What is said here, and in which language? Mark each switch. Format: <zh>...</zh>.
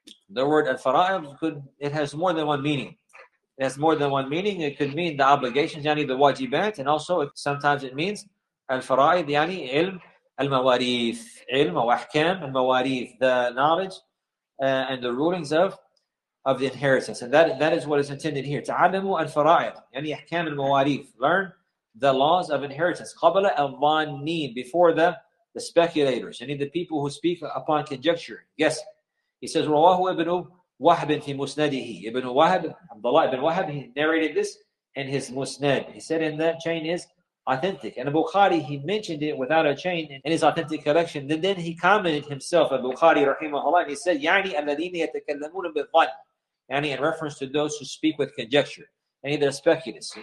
<en>The word al-fara'id, it has more than one meaning. It could mean the obligations, yani the wajibat, and also sometimes it means al-fara'id, yani ilm al-mawarif, ilm al-ahkam al-mawarif, the knowledge and the rulings of the inheritance. And that is what is intended here. Ta'allamu al-fara'id, yani ahkam al-mawarif, learn the laws of inheritance. Qabla al-dhannin, before the speculators, yani the people who speak upon conjecture, guess. He says,</en> <ar>رواه ابن وهب في مسنده.</ar> <en>Ibn Wahab, Abdullah ibn Wahab, he narrated this in his musnad. He said, and that chain is authentic. And Bukhari, he mentioned it without a chain in his authentic collection. Then he commented himself, Bukhari rahimahullah, and he said,</en> <ar>يعني الذين يتكلمون بالظن.</ar> <en>يعني in reference to those who speak with conjecture. يعني they're speculative.</en>